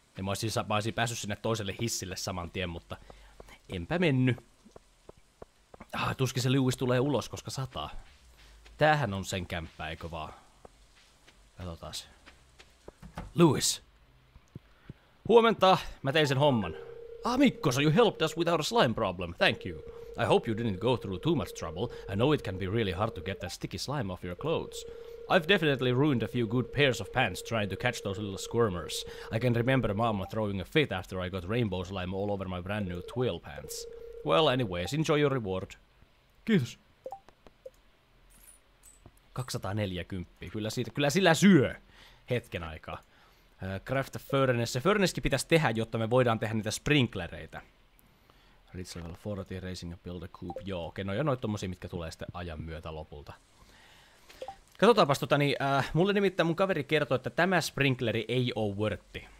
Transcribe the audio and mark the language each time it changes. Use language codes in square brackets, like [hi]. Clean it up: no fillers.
[fi] Ja mä olisin päässyt sinne toiselle hissille saman tien, mutta enpä mennyt. Ah, tuskin se Lewis tulee ulos, koska sataa. Tämähän on sen kämppä, eikö vaan? Katsotaas. Lewis! Huomenta, mä tein sen homman. [en] Ah Mikko, so you helped us with our slime problem, thank you. I hope you didn't go through too much trouble. I know it can be really hard to get that sticky slime off your clothes. I've definitely ruined a few good pairs of pants trying to catch those little squirmers. I can remember Mama throwing a fit after I got rainbow slime all over my brand new twill pants. Well, anyways, enjoy your reward. [fi] Kiitos. 240. Kyllä sillä syö hetken aikaa. [en] Craft furnace. [fi] Se furnacekin pitäisi tehdä, jotta me voidaan tehdä niitä sprinklereitä. [en] Rich level 40, raising a build a coop. [fi] Joo, okei, no ja noit tommosia, mitkä tulee sitten ajan myötä lopulta. Katsotaanpas tota, niin mulle nimittäin mun kaveri kertoi, että tämä sprinkleri ei oo worthi.